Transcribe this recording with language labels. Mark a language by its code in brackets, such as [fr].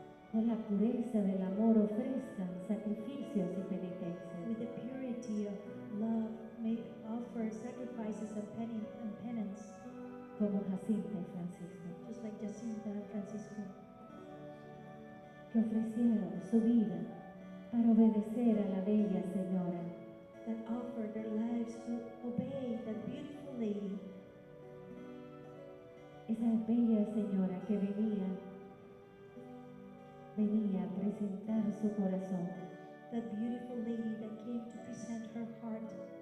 [es] con la pureza del amor ofrezcan sacrificios y penitencias. [en] With the purity of love may offer sacrifices and penance, [es] como Jacinta y Francisco. [en] Just like Jacinta and Francisco. [es] que ofrecieron su vida para obedecer a la bella señora. [en] That offered their lives to obey the beautiful lady. [es] Esa bella señora que venía a presentar su corazón. [en] The beautiful lady that came to present her heart.